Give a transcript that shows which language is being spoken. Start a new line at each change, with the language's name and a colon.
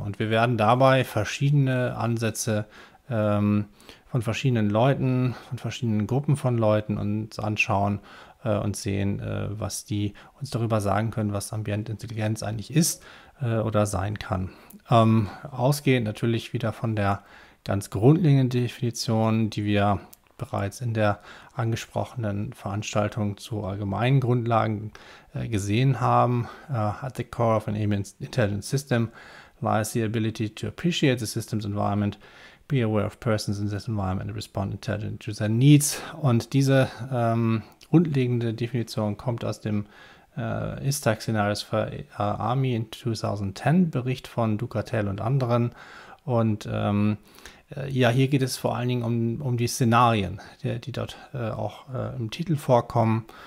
German: Und wir werden dabei verschiedene Ansätze von verschiedenen Leuten, von verschiedenen Gruppen von Leuten uns anschauen und sehen, was die uns darüber sagen können, was Ambientintelligenz eigentlich ist oder sein kann. Ausgehend natürlich wieder von der ganz grundlegenden Definition, die wir bereits in der angesprochenen Veranstaltung zu allgemeinen Grundlagen gesehen haben.
English: At the core of an intelligent system lies the ability to appreciate the system's environment, be aware of persons in this environment and respond intelligent to their needs.
German: Und diese grundlegende Definition kommt aus dem ISTAC Scenarios for Army in 2010 Bericht von Ducatel und anderen. Und ja, hier geht es vor allen Dingen um die Szenarien, die dort auch im Titel vorkommen.